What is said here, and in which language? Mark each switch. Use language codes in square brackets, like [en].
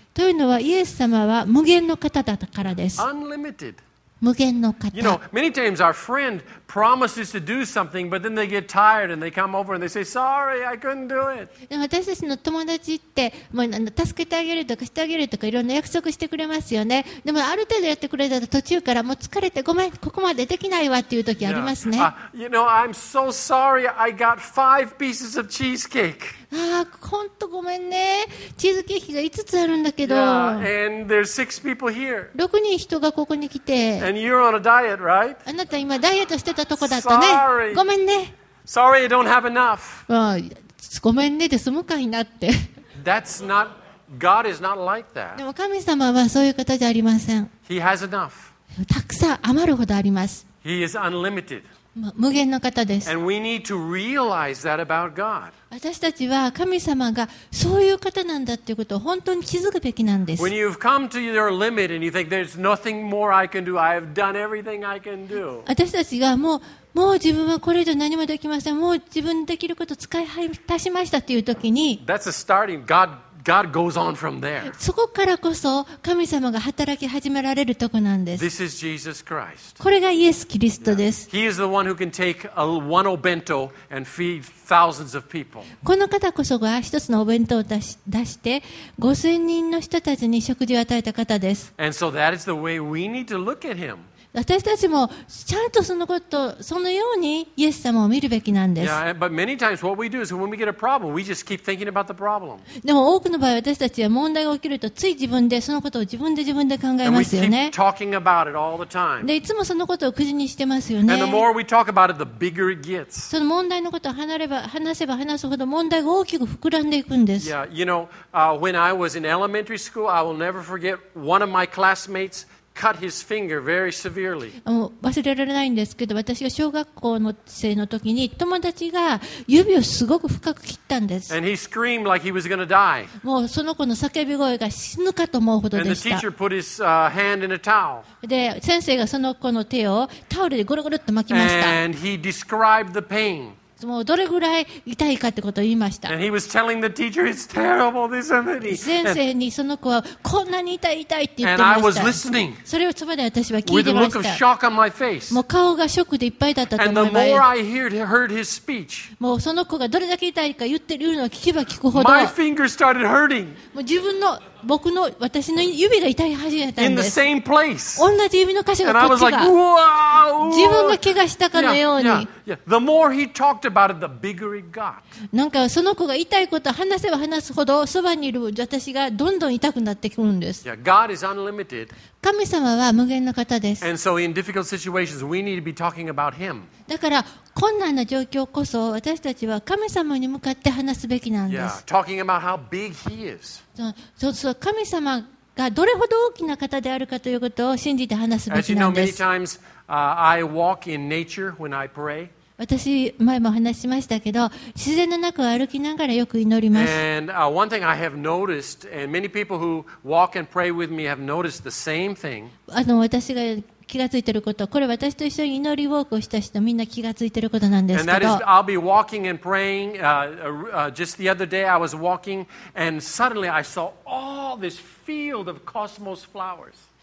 [ja] というのはイエス様は無限の方だからです。 [en] Unlimited. [ja] 無限の方。 [en] You know, many times our friend promises to do something, but then they get tired and they come over and they say, "Sorry, I couldn't do it." [ja] 私たちの友達ってもう助けてあげるとかしてあげるとかいろんな約束してくれますよね。でもある程度やってくれたら途中からもう疲れてごめんここまでできないわっていう時ありますね。 [en] Yeah. You know, I'm so sorry. I got 5 pieces of cheesecake. [ja] 本当ごめんね。チーズケーキが5つあるんだけど。 [en] Yeah, and there's 6 people here. [ja] 6人人がここに来て。 [en] And you're on a diet, right? [ja] あなた今ダイエットしてたとこだったね。 [en] Sorry. [ja] ごめんね。 [en] Sorry, I don't have enough. [ja] ごめんねで済むかいなって。 [en] That's not, God is not like that. [ja] でも神様はそういう方じゃありません。 [en] He has enough. [ja] たくさん余るほどあります。 [en] He is unlimited. [ja] 無限の方です。私たちは神様がそういう方なんだということを本当に気づくべきなんです。 [en] When you've come to your limit and you think there's nothing more I can do, I have done everything I can do. [ja] 私たちがもう自分はこれ以上何もできません。もう自分できること使い果たしましたという時に。 [en] That's a starting. God God goes on from there. [ja] そこからこそ神様が働き始められるとこなんです。 [en] This is Jesus Christ. [ja] これがイエス・キリストです。 [en] Yeah. He is the one who can take a one o bento and feed thousands of people. [ja] この方こそが一つのお弁当を出して5000人の人たちに食事を与えた方です。 [en] And so that is the way we need to look at him. [ja] 私たちもちゃんとそのこと、そのようにイエス様を見るべきなんです。 [en] Yeah, but many times what we do is when we get a problem, we just keep thinking about the problem. [ja] でも多くの場合私たちは問題が起きるとつい自分でそのことを自分で考えますよね。 [en] And we keep talking about it all the time. [ja] でいつもそのことをくじにしてますよね。 [en] And the more we talk about it, the bigger it gets. [ja] その問題のことを話せば話すほど問題が大きく膨らんでいくんです。 [en] Yeah, you know, when I was in elementary school, I will never forget one of my classmates. Cut his finger very severely. [ja] 忘れられないんですけど、私が小学校の生の時に友達が指をすごく深く切ったんです。 [en] And he screamed like he was gonna die. [ja] もうその子の叫び声が死ぬかと思うほどでした。 [en] And the teacher put his, hand in a towel. [ja] で、先生がその子の手をタオルでゴロゴロっと巻きました。 [en] And he described the pain. [ja] もうどれぐらい痛いかってことを言いました。 [en] And he was telling the teacher, it's terrible, this and that. [ja] 先生にその子はこんなに痛い痛いって言ってました。 [en] And I was listening. [ja] それをそばで私は聞いてました。 [en] With a look of shock on my face. [ja] もう顔がショックでいっぱいだったと思います [en] 。And the more I heard his speech. [ja] もうその子がどれだけ痛いか言ってるのを聞けば聞くほど。 [en] My finger started hurting. [ja] もう自分の僕の私の指が痛い始めたんです。 [en] In the same place. [ja] 同じ指の箇所がこっちが。自分が怪我したかのように。 [en] The more he talked about it, the bigger it got. [ja] なんかその子が痛いことを話せば話すほど、そばにいる私がどんどん痛くなってくるんです。 [en] Yeah, God is unlimited. [ja] 神様は無限の方です。 [en] And so in difficult situations, we need to be talking about him. [ja] だから困難な状況こそ私たちは神様に向かって話すべきなんです。 [en] Yeah, talking about how big he is. [ja] そう神様がどれほど大きな方であるかということを信じて話すべきなんです。 [en] As you know, many times, I walk in nature when I pray. [ja] 私前も話しましたけど、自然の中を歩きながらよく祈ります。 [en] And one thing I have noticed, and many people who walk and pray with me have noticed the same thing. [ja] 私が気がついていること、これ私と一緒に祈りウォークをした人みんな気がついていることなんですけど。 [en] And that is, I'll be walking and praying. Just the other day, I was walking, and suddenly I saw all this field of cosmos flowers.